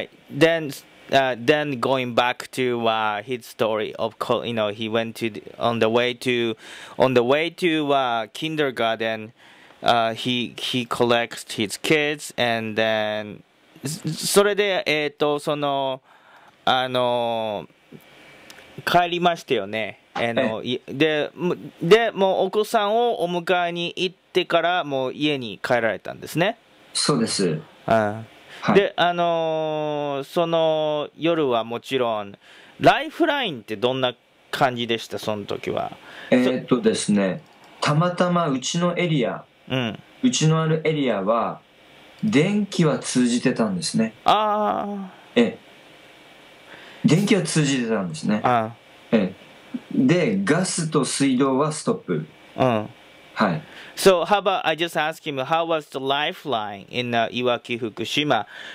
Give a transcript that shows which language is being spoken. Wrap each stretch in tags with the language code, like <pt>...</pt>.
<en>Then going back to his story of, you know, he went to, on the way to kindergarten, he collects his kids and then,</en> <ja>それで、その、帰りましたよね。で、もうお子さんをお迎えに行ってから、もう家に帰られたんですね。そうです。はい、で、その夜はもちろん、ライフラインってどんな感じでした、その時は。ですね、たまたまうちのエリア、うん、うちのあるエリアは、電気は通じてたんですね。ああ。電気は通じてたんですね。ああ。で、ガスと水道はストップ。うん。はい。</ja> <en>So, how about I just ask him, how was the lifeline in Iwaki, Fukushima?</en>